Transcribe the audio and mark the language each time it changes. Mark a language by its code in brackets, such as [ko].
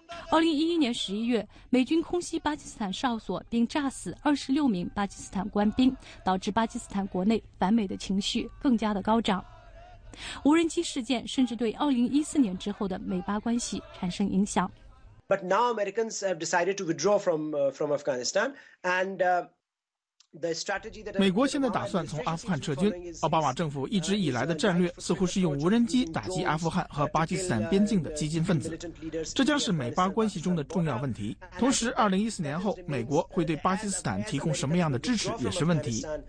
[zh] 2011年11月，美军空袭巴基斯坦哨所并炸死26名巴基斯坦官兵，导致巴基斯坦国内反美的情绪更加的高涨。无人机事件甚至对2014年之后的美巴关系产生影响。 [en] But now Americans have decided to withdraw from Afghanistan and. [zh] 美国现在打算从阿富汗撤军。奥巴马政府一直以来的战略似乎是用无人机打击阿富汗和巴基斯坦边境的激进分子，这将是美巴关系中的重要问题。同时，2014年后，美国会对巴基斯坦提供什么样的支持也是问题。